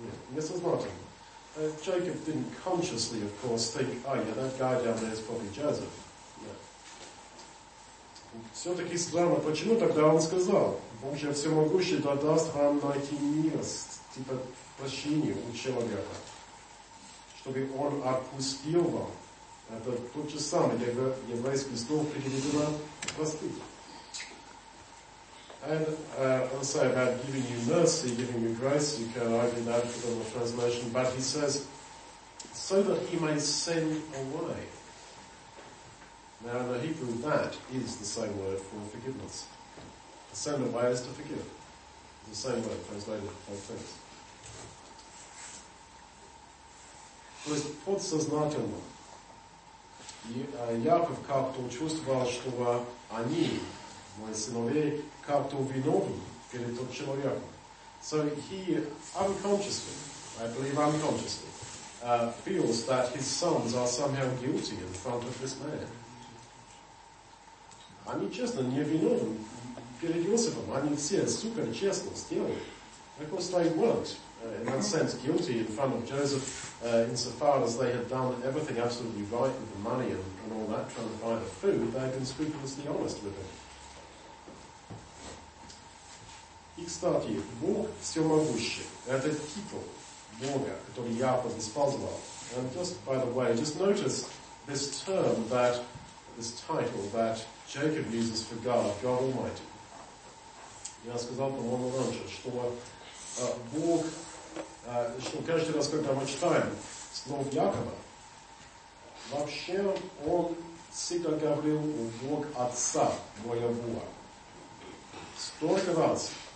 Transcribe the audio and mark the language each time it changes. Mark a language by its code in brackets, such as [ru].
[ru] Несознательно. [en] Jacob didn't consciously, of course, think, oh, yeah, that guy down there is probably Joseph. [ru] Все-таки странно, почему тогда он сказал, Бог же всемогущий да даст вам найти милость, типа прощение у человека, чтобы он отпустил вам. Это тот же самый еврейский стол переведено простыть. [en] And I'll say about giving you mercy, giving you grace, you can argue that for the translation, but he says, so that he may send away. Now, in the Hebrew, that is the same word for forgiveness. To send away is to forgive. It's the same word translated both things. [ru] То есть, подсознательно, Яков как-то чувствовал, что они, мои сыновей, как-то виновны перед тот человеком. [en] So he unconsciously, I believe unconsciously, feels that his sons are somehow guilty in front of this man. [ru] Они честно не виновны перед Иосифом. Они все супер честно сделали. [en] Of course they weren't, in that sense, guilty in front of Joseph, insofar as they had done everything absolutely right with the money and all that, trying to buy the food, they had been scrupulously honest with him. [ru] И, кстати, Бог всемогущий, это титул Бога, который Яков использовал. [en] And just, by the way, just notice this term that, this title that Jacob uses for God, God Almighty. [ru] Я сказал, по-моему, раньше, что Бог, что каждый раз, когда мы читаем слово Якова, вообще он всегда говорил о Бог Отца моего. Столько раз.